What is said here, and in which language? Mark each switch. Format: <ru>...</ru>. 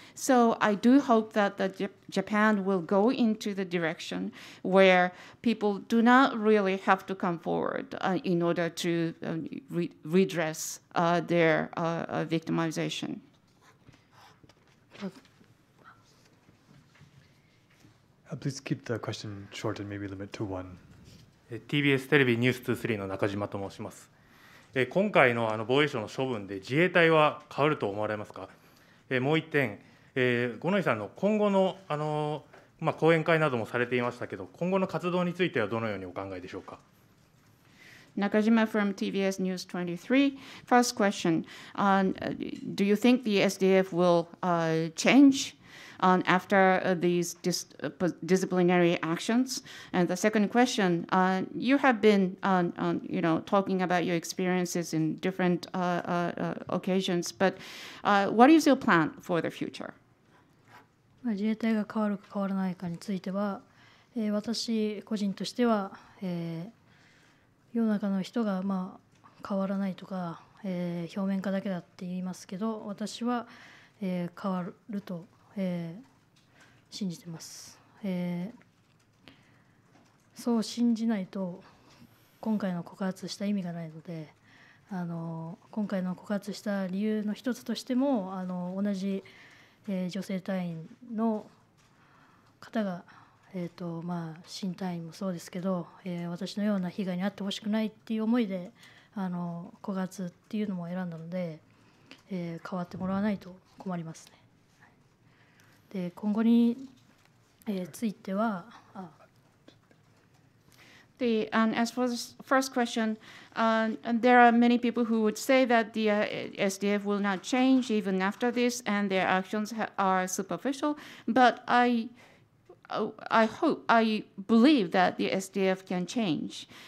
<en>So I do hope that the Japan will go into the direction where people do not really have to come forward in order to redress their victimization. Please keep the question short and maybe limit to one.</en> <ja>TBS テレビニュース23の中島と申します。今回 の, 防衛省の処分で自衛隊は変わると思われますか。もう1点、五ノ井さんの今後 の, 講演会などもされていましたけど、今後の活動についてはどのようにお考えでしょうか。</ja> <en>中島 from TBS News 23. First question,do you think the SDF will changeafter these disciplinary actions? And the second question, you have been talking about your experiences in different occasions, but what is your plan for the future?</en> <ja>自衛隊が変わるか変わらないかについては、私個人としては、世の中の人が変わらないとか、表面化だけだって言いますけど、私は、変わると、信じてます。そう信じないと今回の告発した意味がないので、今回の告発した理由の一つとしても、同じ、女性隊員の方が、新隊員もそうですけど、私のような被害に遭ってほしくないっていう思いで、告発っていうのも選んだので、変わってもらわないと困りますね。今後に、については、</ja> <en>The, as for the first question, there are many people who would say that the SDF will not change even after this, and their actions are superficial. But I believe that the SDF can change.</en>